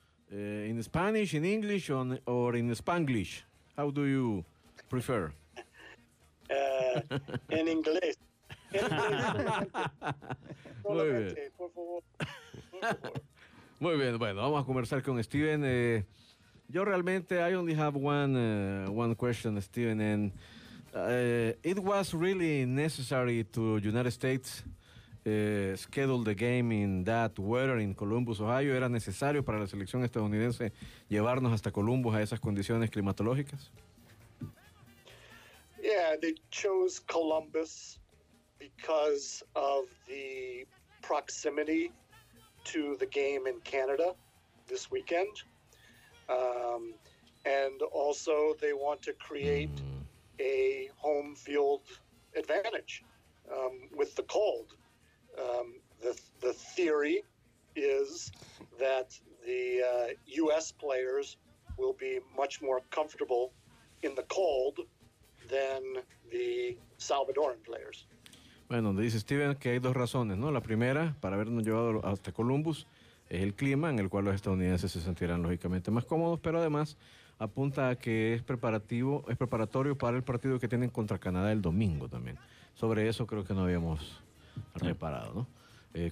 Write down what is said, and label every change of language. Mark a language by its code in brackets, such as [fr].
[en] In Spanish, in English, or in Spanglish? How do you prefer? In inglés. [es] Muy bien. Por favor. Muy bien, bueno, vamos a conversar con Steven. Yo realmente, [en] I only have one question, Steven, and it was really necessary to United States schedule the game in that weather in Columbus, Ohio. [es] ¿Era necesario para la selección estadounidense llevarnos hasta Columbus a esas condiciones climatológicas? [en] Yeah, they chose Columbus because of the proximity to the game in Canada this weekend. And also they want to create a home field advantage with the cold. The theory is that the U.S. players will be much more comfortable in the cold than the Salvadoran players. [es] Bueno, dice Steven que hay dos razones, ¿no? La primera, para habernos llevado hasta Columbus, es el clima en el cual los estadounidenses se sentirán lógicamente más cómodos, pero además apunta a que es preparatorio para el partido que tienen contra Canadá el domingo también. Sobre eso creo que no habíamos reparado, ¿no?